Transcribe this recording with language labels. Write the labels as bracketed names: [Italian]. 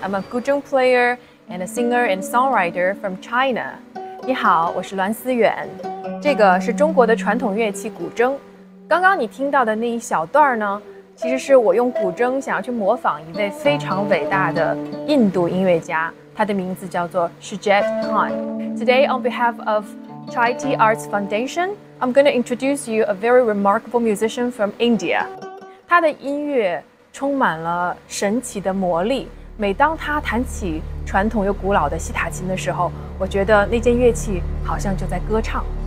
[English] I'm a guzheng player and a singer and songwriter from China. [Chinese] 你好，我是栾思远。这个是中国的传统乐器古筝。刚刚你听到的那一小段呢，其实是我用古筝想要去模仿一位非常伟大的印度音乐家，他的名字叫做 Shujaat Khan. [English] Today, on behalf of Charity Arts Foundation, I'm going to introduce you a very remarkable musician from India. [Chinese] 他的音乐充满了神奇的魔力。每当他弹起传统又古老的西塔琴的时候，我觉得那件乐器好像就在歌唱。